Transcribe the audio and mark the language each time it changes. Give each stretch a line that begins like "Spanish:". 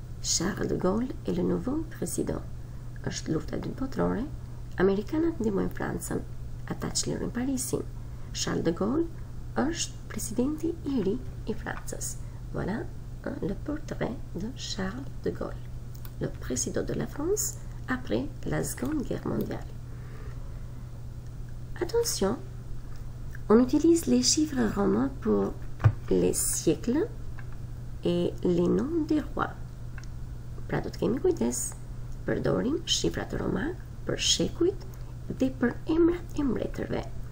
French: Charles de Gaulle est le nouveau président.
Albanian: Është lufta e dytë botërore. Amerikanët ndihmojnë Francën. Ata çlirojnë Parisin. Charles de Gaulle është presidenti i ri i Francës.
French: Voilà le portrait de Charles de Gaulle, le président de la France après la Seconde Guerre mondiale. Attention, on utilise les chiffres romains pour les siècles et les noms des rois.
Albanian: Pra do të kemi kujdes. Përdorim shifrat roma për shekujt dhe për emrat e mbretërve.